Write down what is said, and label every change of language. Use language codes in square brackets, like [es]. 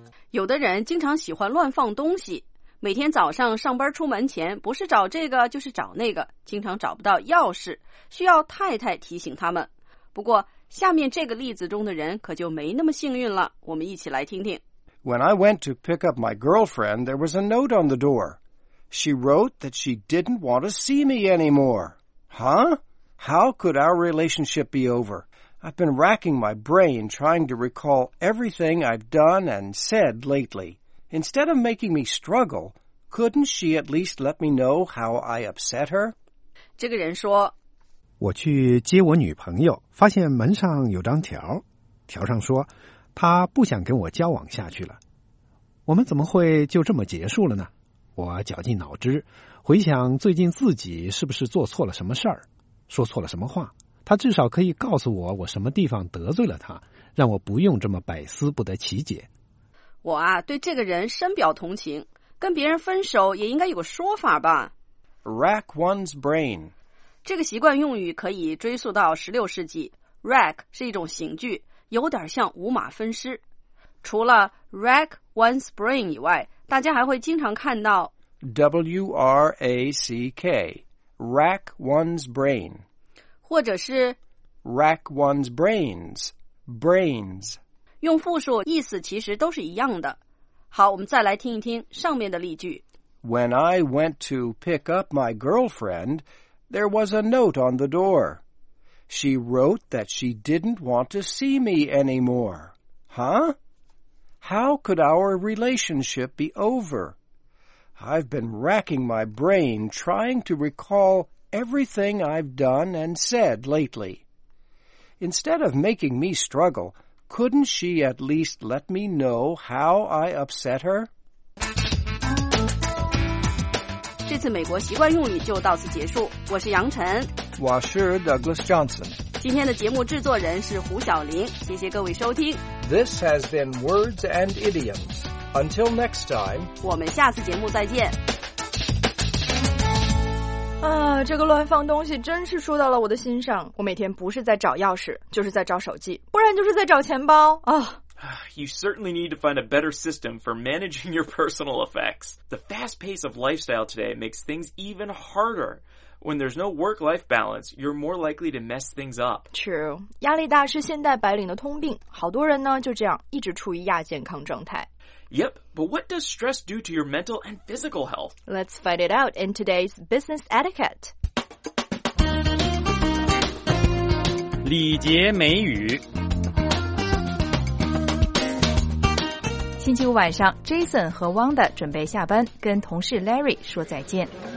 [zh] 有的人经常喜欢乱放东西，每天早上上班出门前，不是找这个就是找那个，经常找不到钥匙，需要太太提醒他们。不过，下面这个例子中的人可就没那么幸运了，我们一起来听听。 [en] When I went to pick up my girlfriend, there was a note on the door. She wrote that she didn't want to see me anymore. Huh? How could our relationship be over? I've been racking my brain trying to recall everything I've done and said lately. Instead of making me struggle, couldn't she at least let me know how I upset her? [zh] 这个人说，我去接我女朋友，发现门上有张条，条上说他不想跟我交往下去了。我们怎么会就这么结束了呢？我绞尽脑汁，回想最近自己是不是做错了什么事儿，说错了什么话。他至少可以告诉我，我什么地方得罪了他，让我不用这么百思不得其解。我啊，对这个人深表同情，跟别人分手也应该有个说法吧。 [en] Rack one's brain. [zh] 这个习惯用语可以追溯到16世纪。 Rack 是一种刑具，有点像五马分尸。除了 rack one's brain 以外，大家还会经常看到 [en] W-R-A-C-K, rack one's brain, [zh] 或者是 [en] rack one's brains, brains, [zh] 用复数，意思其实都是一样的。好，我们再来听一听上面的例句。 [en] When I went to pick up my girlfriend, there was a note on the door. She wrote that she didn't want to see me anymore. Huh? How could our relationship be over? I've been racking my brain trying to recall everything I've done and said lately. Instead of making me struggle, couldn't she at least let me know how I upset her? [zh] 这次美国习惯用语就到此结束，我是杨晨。我是 Douglas Johnson。今天的节目制作人是胡晓玲，谢谢各位收听。 [en] This has been Words and Idioms. Until next time. [zh] 我们下次节目再见。啊，这个乱放东西真是说到了我的心上，我每天不是在找钥匙，就是在找手机，不然就是在找钱包啊。 [en] You certainly need to find a better system for managing your personal effects. The fast pace of lifestyle today makes things even harder. When there's no work-life balance, you're more likely to mess things up. True. [zh] 压力大是现代白领的通病，好多人呢就这样一直处于亚健康状态。 [en] Yep, but what does stress do to your mental and physical health? Let's find it out in today's business etiquette. [zh] 礼节美语。星期五晚上 ，Jason 和 Wanda 准备下班，跟同事 Larry 说再见。